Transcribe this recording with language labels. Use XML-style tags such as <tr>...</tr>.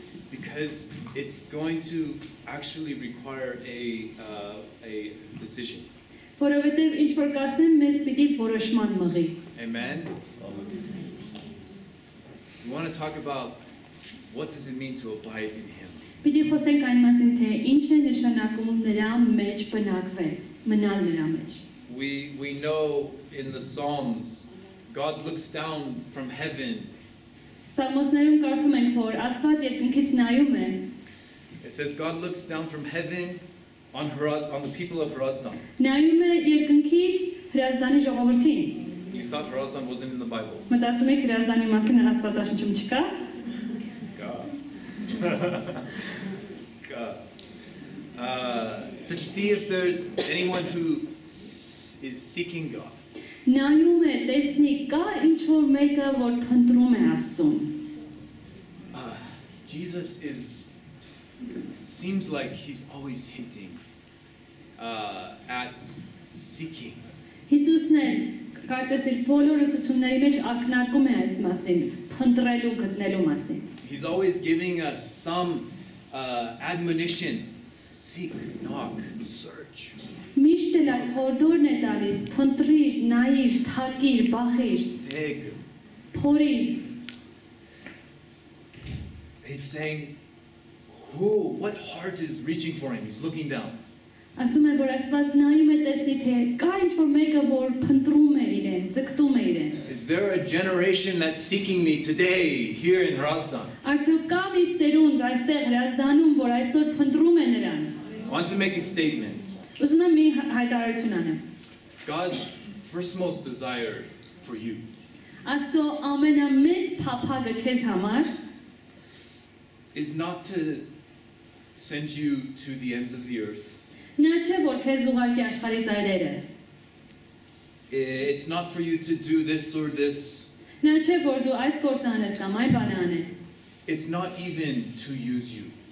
<en>Because it's going to actually require a decision.</en> <hy>Որովհետև ինչ որ կասեմ, մեզ պիտի որոշման մղի։</hy> <en>Amen. We want to talk about what does it mean to abide in him.</en> <hy>Պիտի խոսենք այն մասին, թե ինչ է նշանակում նրա մեջ բնակվել, մնալ նրա մեջ։</hy> <en>We know in the Psalms God looks down from heaven.</en> <hy>Սամոսներում կարդում ենք, որ Աստված երկնքից նայում է։</hy> <en>It says God looks down from heaven on Hrazdan, on the people of Hrazdan.</en> <hy>Նայում է երկնքից Հրազդանի ժողովրդին։</hy> <en>You thought Hrazdan wasn't in the Bible.</en> <hy>Մտածում եք Հրազդանի մասին Աստվածաշնչում չկա։ Կա։ Կա։</hy> <en>To see if there's anyone who is seeking God.</en> <hy>Նայում է, տեսնի, կա ինչ-որ մեկը, որ փնտրում է Աստծուն։</hy> <en>Jesus is seems like he's always hinting at seeking.</en> <hy>Հիսուսն կարծես իր բոլոր ուսուցումների մեջ ակնարկում է այս մասին, փնտրելու, գտնելու մասին.</hy> <en>He's always giving us some admonition, seek, knock, search.</en> <hy>Միշտ էլ այդ հորդորն է տալիս, փնտրիր, նայիր, թակիր, բախիր.</hy> <en>Dig.</en> <hy>Փորիր.</hy> <en>He's saying, who, what heart is reaching for him? He's looking down.</en> <hy>Ասում է, որ Աստված նայում է, տեսնի, թե կա ինչ-որ մեկը, որ փնտրում է իրեն, ձգտում է իրեն.</hy> <en>Is there a generation that's seeking me today here in Hrazdan?</en> <hy>Արդյոք կա մի սերունդ այստեղ Հրազդանում, որ այսօր փնտրում է նրան?</hy> <en>Want to make a statement.</en> <hy>Ուզում եմ մի հայտարարություն անեմ.</hy> <en>God's first most desire for you.</en> <hy>Աստծո ամենամեծ փափագը քեզ համար</hy> <en>is not to send you to the ends of the earth. It's not for you to do this or this. It's not even to use you.</en>